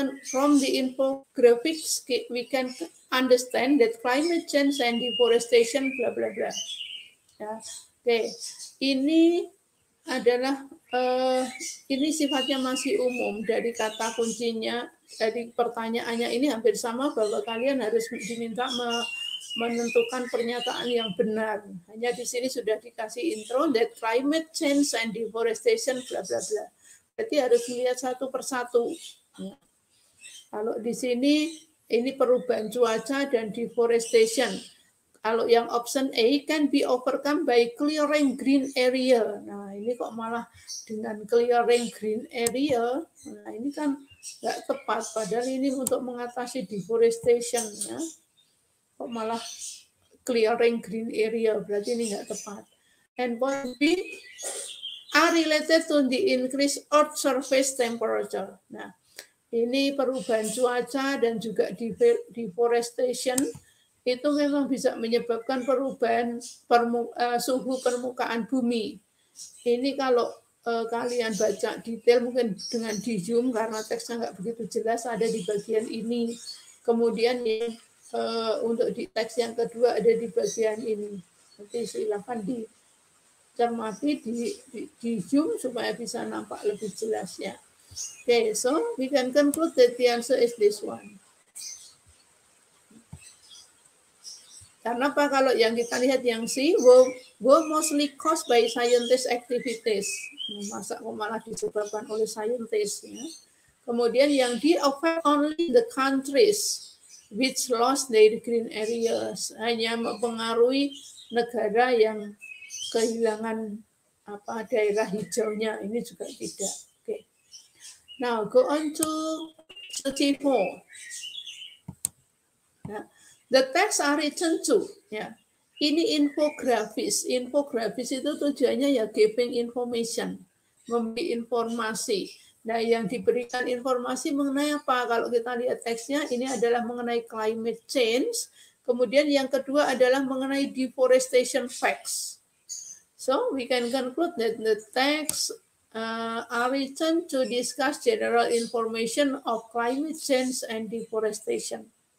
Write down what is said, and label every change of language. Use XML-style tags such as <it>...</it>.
<en>From the infographics, we can understand that climate change and deforestation, blah blah blah.</en> <id>Ya. Okay, ini adalah ini sifatnya masih umum dari kata kuncinya. Jadi pertanyaannya ini hampir sama bahwa kalian harus diminta menentukan pernyataan yang benar. Hanya di sini sudah dikasih intro</id> <en>that climate change and deforestation bla bla</en> <id>bla. Jadi harus dilihat satu persatu. Kalau di sini ini perubahan cuaca dan deforestation. Kalau yang option A</id> <en>can be overcome by clearing green area.</en> <id>Nah, ini kok malah dengan</id> <en>clearing green area.</en> <id>Nah, ini kan nggak tepat, padahal ini untuk mengatasi deforestation ya, kok malah</id> <en>clearing green area,</en> <id>berarti ini nggak tepat.</id> <en>And point B are related to the increased earth surface temperature.</en> <id>Nah, ini perubahan cuaca dan juga deforestation itu memang bisa menyebabkan perubahan suhu permukaan bumi. Ini kalau kalian baca detail mungkin dengan di zoom karena teksnya nggak begitu jelas, ada di bagian ini, kemudian untuk di teks yang kedua ada di bagian ini, nanti silakan dicermati di zoom supaya bisa nampak lebih jelas ya.</id> <en>Oke, okay, so we can conclude that the answer is this one.</en> <id>Karena apa? Kalau yang kita lihat yang C,</id> <en>were mostly caused by scientist activities.</en> <id>Masa kok malah disebabkan oleh scientist. Ya. Kemudian yang D,</id> <en>affect only the countries which lost their green areas.</en> <id>Hanya mempengaruhi negara yang kehilangan apa daerah hijaunya, ini juga tidak.</id> <en>Oke. Okay. Now go on to 34. Yeah. The text are written to, ya. Yeah.</en> <id>Ini infografis. Infografis itu tujuannya ya</id> <en>giving information,</en> <id>memberi informasi. Nah, yang diberikan informasi mengenai apa? Kalau kita lihat teksnya, ini adalah mengenai climate change. Kemudian yang kedua adalah mengenai deforestation facts.</id> <en>So, we can conclude that the text are written to discuss general information of climate change and deforestation.</en>